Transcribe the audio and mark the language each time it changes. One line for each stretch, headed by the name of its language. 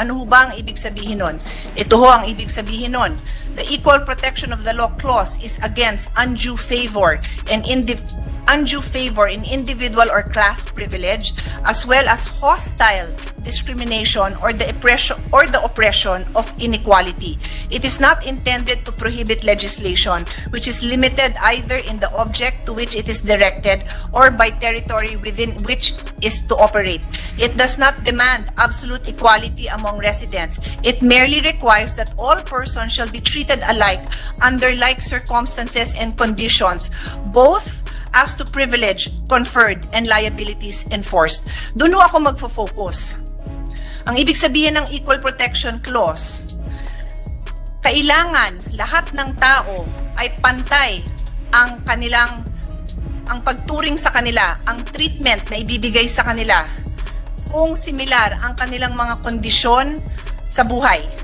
Filipino: Ano ho ba ang ibig sabihin nun? Ito ho ang ibig sabihin nun.
English: The equal protection of the law clause is against undue favor and individual or class privilege, as well as hostile discrimination or the oppression of inequality. It is not intended to prohibit legislation which is limited either in the object to which it is directed or by territory within which is to operate. It does not demand absolute equality among residents. It merely requires that all persons shall be treated alike under like circumstances and conditions, both as to privilege conferred and liabilities enforced.
Filipino: Doon ho ako magfo-focus. Ang ibig sabihin ng equal protection clause, kailangan lahat ng tao ay pantay ang pagturing sa kanila, ang treatment na ibibigay sa kanila kung similar ang kanilang mga kondisyon sa buhay.